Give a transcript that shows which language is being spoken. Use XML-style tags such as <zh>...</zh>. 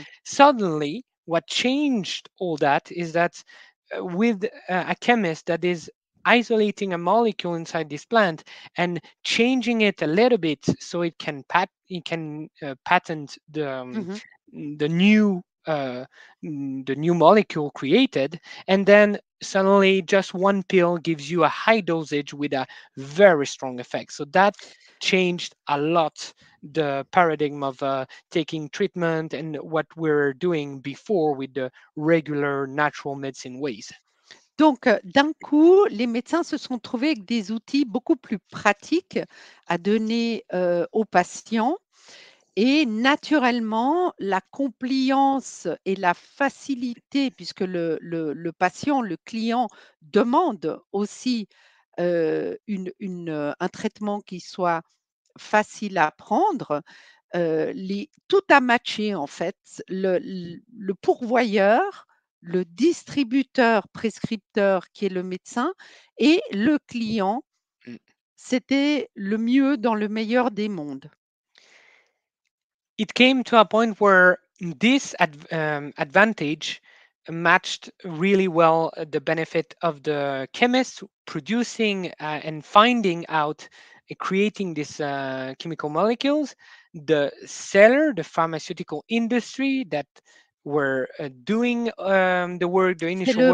<en>Suddenly what changed all that is that with a chemist that is isolating a molecule inside this plant and changing it a little bit so it can patent the new molecule created, and then suddenly just one pill gives you a high dosage with a very strong effect. So that changed a lot the paradigm of taking treatment and what we're doing before with the regular natural medicine ways.</en> <fr>Donc, d'un coup, les médecins se sont trouvés avec des outils beaucoup plus pratiques à donner aux patients. Et naturellement, la compliance et la facilité, puisque le patient, le client demande aussi un traitement qui soit facile à prendre, tout a matché en fait. Le pourvoyeur, le distributeur prescripteur qui est le médecin et le client, c'était le mieux dans le meilleur des mondes.</fr> <en>It came to a point where this advantage matched really well the benefit of the chemist producing and finding out creating these chemical molecules, the seller, the pharmaceutical industry that were doing the work, the initial</en>